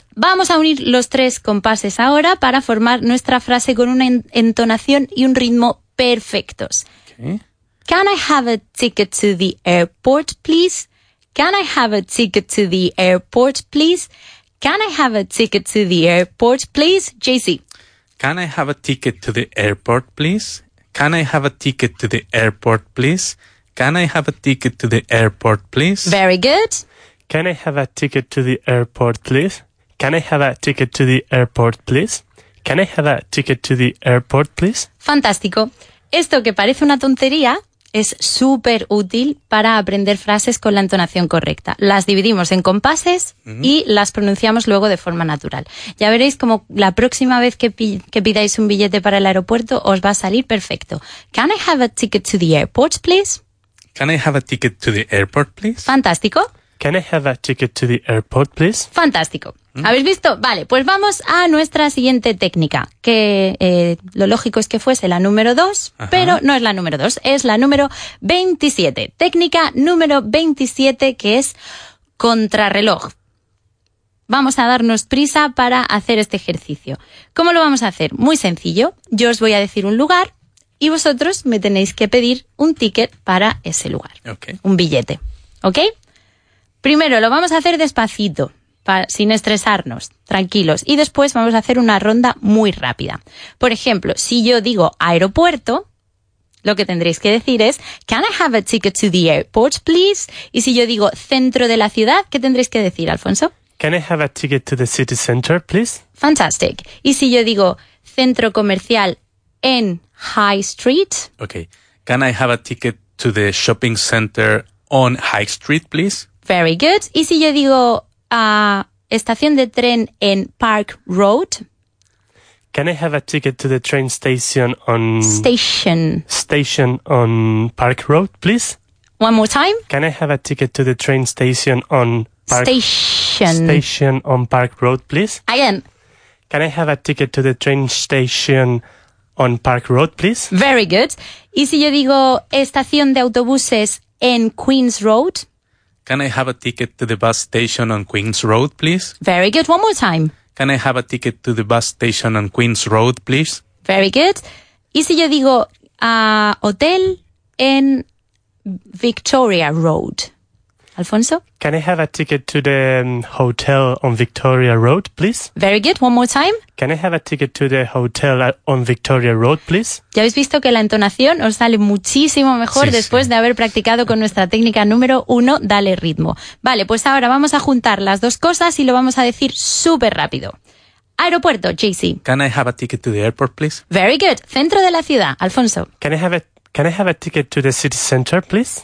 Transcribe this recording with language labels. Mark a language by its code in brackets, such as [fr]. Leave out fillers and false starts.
[es] Vamos a unir los 3 compases ahora para formar nuestra frase con una entonación y un ritmo perfectos. [en] Okay. Can I have a ticket to the airport, please? Can I have a ticket to the airport, please? Can I have a ticket to the airport, please? JC. Can I have a ticket to the airport, please? Can I have a ticket to the airport, please? Can I have a ticket to the airport, please? Very good. Can I have a ticket to the airport, please? Can I have a ticket to the airport, please? Can I have a ticket to the airport, please? [es] Fantástico. Esto que parece una tontería es súper útil para aprender frases con la entonación correcta. Las dividimos en compases y las pronunciamos luego de forma natural. Ya veréis como la próxima vez que pidáis un billete para el aeropuerto os va a salir perfecto. [en] Can I have a ticket to the airport, please? Can I have a ticket to the airport, please? [es] Fantástico. [en] Can I have a ticket to the airport, please? [es] Fantástico. ¿Habéis visto? Vale, pues vamos a nuestra siguiente técnica, que lo lógico es que fuese la número 2, pero no es la número 2, es la número 27. Técnica número 27, que es contrarreloj. Vamos a darnos prisa para hacer este ejercicio. ¿Cómo lo vamos a hacer? Muy sencillo. Yo os voy a decir un lugar y vosotros me tenéis que pedir un ticket para ese lugar. [en] Okay. [es] Un billete. ¿Ok? Primero, lo vamos a hacer despacito. Sin estresarnos, tranquilos. Y después vamos a hacer una ronda muy rápida. Por ejemplo, si yo digo aeropuerto, lo que tendréis que decir es [en] Can I have a ticket to the airport, please? [es] Y si yo digo centro de la ciudad, ¿qué tendréis que decir, Alfonso? [en] Can I have a ticket to the city center, please? Fantastic. [es] Y si yo digo centro comercial en High Street. [en] Okay. Can I have a ticket to the shopping center on High Street, please? Very good. [es] Y si yo digo estación de tren en Park Road. [en] Can I have a ticket to the train station on... Station. Station on Park Road, please? One more time. Can I have a ticket to the train station on... Park station. Station on Park Road, please? Again. Can I have a ticket to the train station on Park Road, please? Very good. [es] Y si yo digo estación de autobuses en Queens Road... [en] Can I have a ticket to the bus station on Queens Road, please? Very good. One more time. Can I have a ticket to the bus station on Queens Road, please? Very good. [es] Y si yo digo hotel en Victoria Road? Alfonso? [en] Can I have a ticket to the hotel on Victoria Road, please? Very good. One more time. Can I have a ticket to the hotel on Victoria Road, please? [es] Ya habéis visto que la entonación os sale muchísimo mejor después de haber practicado con nuestra técnica número 1, dale ritmo. Vale, pues ahora vamos a juntar las dos cosas y lo vamos a decir súper rápido. Aeropuerto, JC. [en] Can I have a ticket to the airport, please? Very good. [es] Centro de la ciudad, Alfonso. [en] Can I have a ticket to the city center, please?